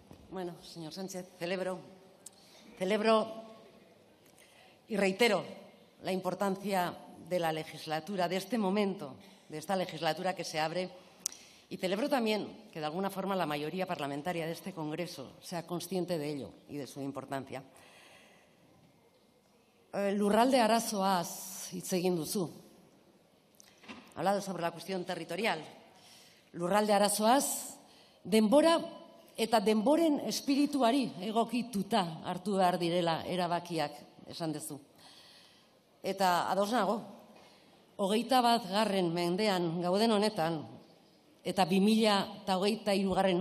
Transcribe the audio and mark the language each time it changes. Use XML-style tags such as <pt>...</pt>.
<es>Bueno, señor Sánchez, celebro y reitero la importancia de la legislatura, de este momento, de esta legislatura que se abre, y celebro también que de alguna forma la mayoría parlamentaria de este Congreso sea consciente de ello y de su importancia.</es> <eu>Lurralde arazoaz hitz egin duzu.</eu> <es>Ha hablado sobre la cuestión territorial.</es> <eu>Lurralde arazoaz, denbora eta denboren espirituari egokituta hartu behar direla erabakiak, esan duzu. Eta ados nago, 21. mendean gauden honetan eta 2023.</eu>